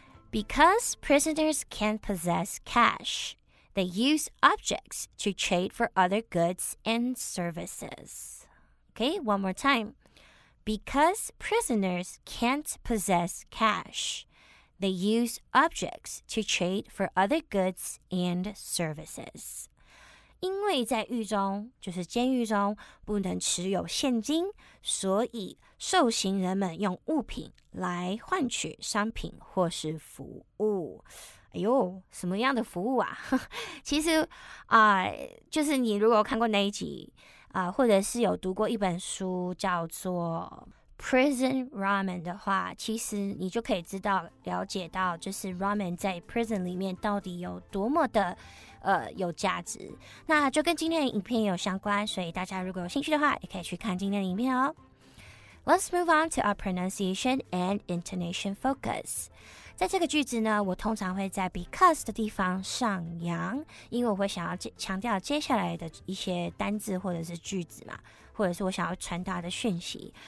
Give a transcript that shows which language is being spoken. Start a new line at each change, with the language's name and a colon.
English: Because prisoners can't possess cash, they use objects to trade for other goods and services. Okay, one more time. Because prisoners can't possess cash,They use objects to trade for other goods and services.
Chinese: 因为在狱中，就是监狱中，不能持有现金，所以受刑人们用物品来换取商品或是服务。哎呦，什么样的服务啊？其实，就是你如果看过那一集，或者是有读过一本书叫做Prison Ramen 的话，其实你就可以知道了解到就是 Ramen 在 Prison 里面到底有多么的有价值，那就跟今天的影片有相关，所以大家如果有兴趣的话也可以去看今天的影片哦。
English: Let's move on to our pronunciation and intonation focus.
Chinese: 在这个句子呢，我通常会在 because 的地方上扬，因为我会想要强调接下来的一些单字或者是句子嘛，或者是我想要传达的讯息。